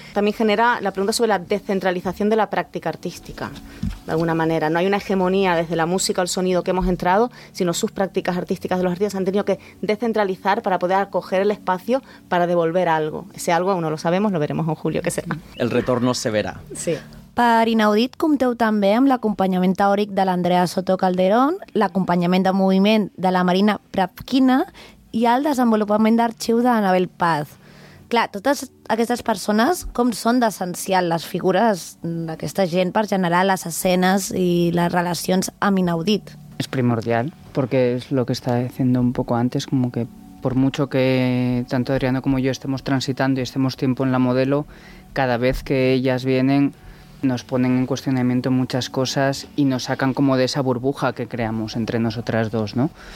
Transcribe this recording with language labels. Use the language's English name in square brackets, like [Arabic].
[Spanish] También genera la pregunta sobre la descentralización de la práctica artística, de alguna manera. No hay una hegemonía desde la música o el sonido que hemos entrado, sino sus prácticas artísticas de los artistas han tenido que descentralizar para poder acoger el espacio para devolver algo. Ese algo aún no lo sabemos, lo veremos en julio, ¿qué será? El retorno se verá. Sí. [Catalan] Per Inaudit compteu també amb l'acompanyament teòric de l'Andrea Soto Calderón, l'acompanyament de moviment de la Marina Prapkina i el desenvolupament d'arxiu de l'Anabel Paz. Clar, totes aquestes persones, com són d'essencial les figures d'aquesta gent per generar les escenes i les relacions amb Inaudit? És primordial, perquè és el que estava dient un poc abans, com que per [Spanish] mucho que tanto Adriano [Catalan] com jo [Spanish] estemos transitando i estemos tiempo en la Modelo, cada vez que ellas vienen nos ponen en cuestionamiento muchas cosas y nos sacan como de esa burbuja que creamos entre nosotras dos, ¿no?